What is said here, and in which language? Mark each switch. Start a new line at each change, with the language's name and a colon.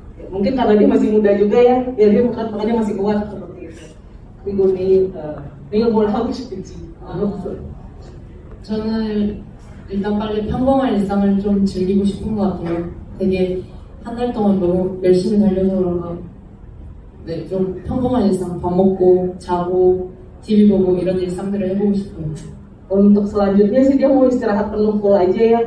Indonesian: Mungkin karena dia masih muda juga ya, ya dia bukan makanya masih kuat seperti itu. Minggu ini, minggu mulai harus seperti itu.
Korean: 저는 일단 빨리 평범한 일상을 좀 즐기고 싶은 것 같아요. 되게 한 달 동안 너무 열심히 달려서 그런가. 네, 좀 평범한 일상, 밥 먹고 자고 TV 보고 이런 일상들을 해보고 싶어요.
Indonesian: Untuk selanjutnya sih dia mau istirahat penuh full aja ya.